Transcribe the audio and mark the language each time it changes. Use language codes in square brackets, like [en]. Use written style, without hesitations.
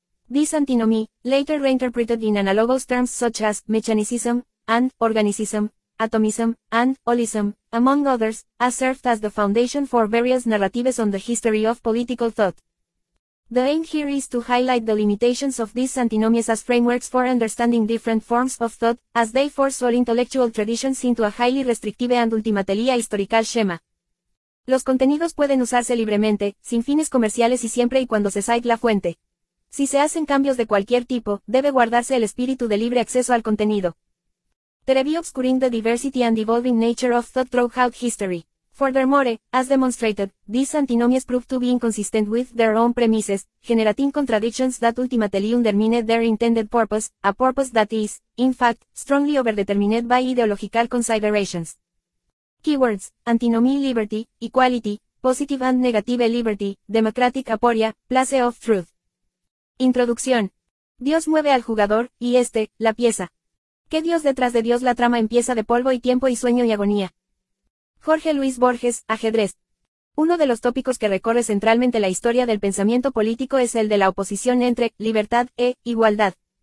[en] This antinomy, later reinterpreted in analogous terms such as mechanicism and organicism, atomism, and holism, among others, has served as the foundation for various narratives on the history of political thought. The aim here is to highlight the limitations of these antinomies as frameworks for understanding different forms of thought, as they force all intellectual traditions into a highly restrictive and ultimately historical schema. [es] Los contenidos pueden usarse libremente, sin fines comerciales y siempre y cuando se cite la fuente. Si se hacen cambios de cualquier tipo, debe guardarse el espíritu de libre acceso al contenido. [en] Terebi obscuring the diversity and evolving nature of thought throughout history. Furthermore, as demonstrated, these antinomies prove to be inconsistent with their own premises, generating contradictions that ultimately undermine their intended purpose, a purpose that is, in fact, strongly overdetermined by ideological considerations. Keywords: antinomy liberty, equality, positive and negative liberty, democratic aporia, place of truth. [es] Introducción. Dios mueve al jugador, y este, la pieza. ¿Qué Dios detrás de Dios? La trama empieza de polvo y tiempo y sueño y agonía. Jorge Luis Borges, ajedrez. Uno de los tópicos que recorre centralmente la historia del pensamiento político es el de la oposición entre libertad e igualdad.